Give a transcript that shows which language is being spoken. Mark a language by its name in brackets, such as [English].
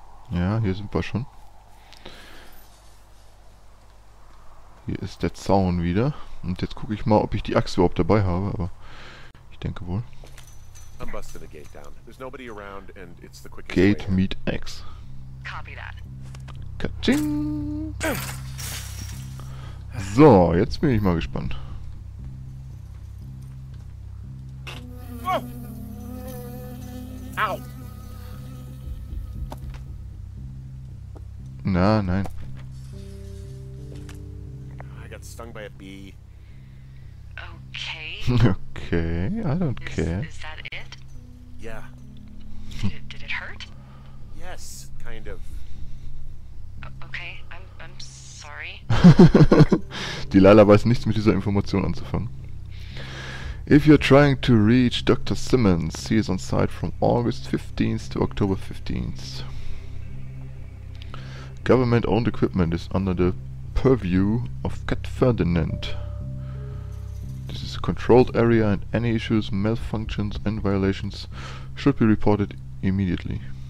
[German] Ja, hier sind wir schon. Hier ist der Zaun wieder. Und jetzt gucke ich mal, ob ich die Axt überhaupt dabei habe, aber ich denke wohl. [English] I'm busting the gate down. There's nobody around and it's the quickest way. Gate meet X. Copy that. Ka-ching! [German] So, jetzt bin ich mal gespannt. Oh. Ow. Na, nein. [English] I got stung by a bee. Okay. Okay, I don't care. Is that it? Yeah. Did it hurt? Yes, kind of. Okay, I'm sorry. [German] Die Lala weiß nichts mit dieser Information anzufangen. [English] If you're trying to reach Dr. Simmons, he is on site from August 15th to October 15th. Government-owned equipment is under the purview of Cat Ferdinand. This is a controlled area and any issues, malfunctions and violations should be reported immediately.